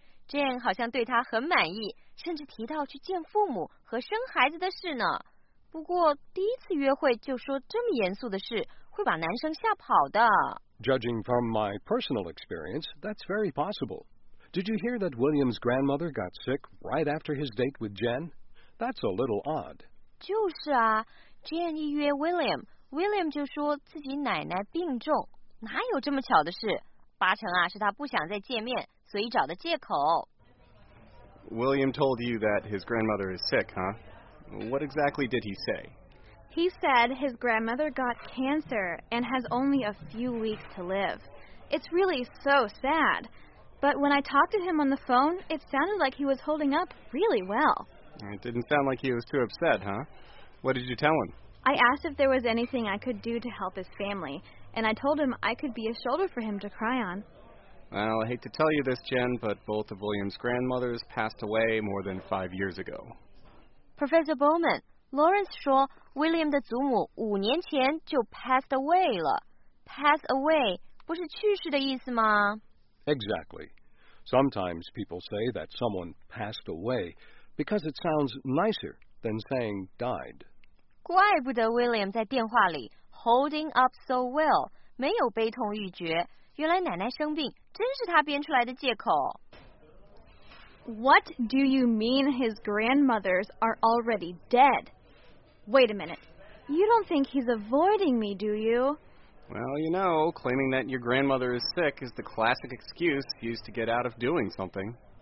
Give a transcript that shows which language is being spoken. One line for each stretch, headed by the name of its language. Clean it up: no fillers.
Chinese: Jane 好像对他很满意，甚至提到去见父母和生孩子的事呢。不过第一次约会就说这么严肃的事，会把男生吓跑的。
English: Judging from my personal experience, that's very possible. Did you hear that William's grandmother got sick right after his date with Jen? That's a little odd.
Chinese: 就是啊 ,Jen 一约 William, William 就说自己奶奶病重。哪有这么巧的事? 八成啊是他不想再见面,所以找的借口。
English: William told you that his grandmother is sick, huh? What exactly did he say? He said his grandmother got cancer and has only a few weeks to live. It's really so sad. But when I talked to him on the phone, it sounded like he was holding up really well. It didn't sound like he was too upset, huh? What did you tell him? I asked if there was anything I could do to help his family, and I told him I could be a shoulder for him to cry on. Well, I hate to tell you this, Jen, but both of William's grandmothers passed away more than 5 years ago.
Chinese: Professor Bowman,Lawrence 说 ,William 的祖母五年前就 passed away 了。 Pass away 不是去世的意思吗
English: ?Exactly. Sometimes people say that someone passed away because it sounds nicer than saying died.
Chinese: 怪不得 William 在电话里
English: holding up so well,
Chinese: 没有悲痛欲绝。原来奶奶生病真是他编出来的借口。
English: What do you mean his grandmothers are already dead? Wait a minute. You don't think he's avoiding me, do you? Well, you know, claiming that your grandmother is sick is the classic excuse used to get out of doing something.